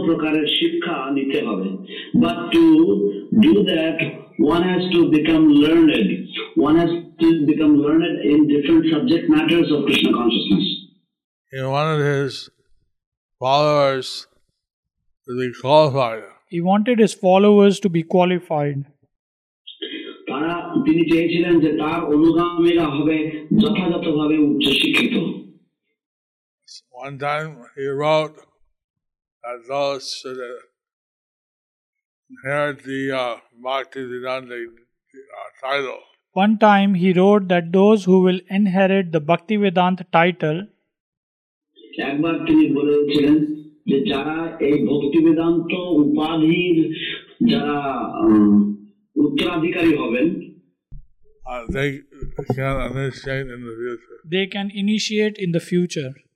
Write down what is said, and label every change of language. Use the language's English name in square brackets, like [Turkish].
[English] But to do that, one has to become learned. One has to become learned in different subject matters of Krishna consciousness. He wanted his followers to be qualified. He wanted his followers to be qualified. [Bangla] তিনি চেয়েছিলেন যে তার অনুগামীরা হবে যথাযথভাবে উচ্চ শিক্ষিত. [English] One time he wrote that those should inherit the Bhaktivedanta title. One time he wrote that those who will inherit the Bhaktivedanta title. [Bangla] একবার তিনি বলেছিলেন যে যারা এই ভক্তিবেদান্ত উপাধির যারা উত্তরাধিকারী হবেন [English] They can initiate in the future. They can initiate in the future.